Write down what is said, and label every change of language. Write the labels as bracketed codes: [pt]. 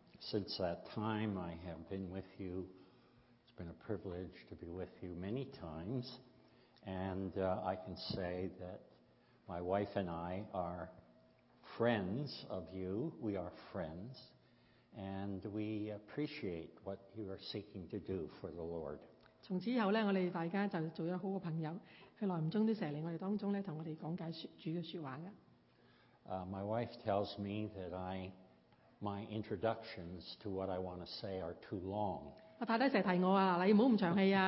[en] Since that time, I have been with you. It's been a privilege to be with you many times, and I can say that my wife and I are friends of you. We are friends, and we appreciate what you are seeking to do for the Lord. [zh] 從此以後我們大家就做了好的朋友他來不中都經常來我們當中跟我們講解主的說話的 [en] My wife tells me that my introductions to what I want to say are too long [zh] 我太太經常提我你不要那麼長氣、